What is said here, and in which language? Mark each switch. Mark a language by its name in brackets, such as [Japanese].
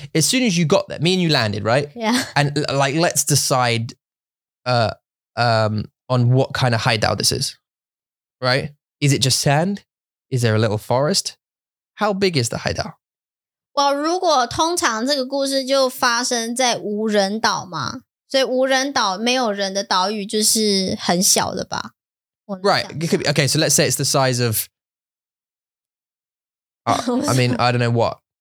[English] As soon as you got there, me and you landed, right? Yeah. And like, let's decide on what kind of hideout this is, right? Is it just sand? Is there a little forest? How big is the hideout? [Chinese] Well, 如果通常这个故事就发生在无人岛嘛, 所以无人岛没有人的岛屿就是很小的吧? [English] Right, it could be, okay, so let's say it's the size of, I mean, I don't know what.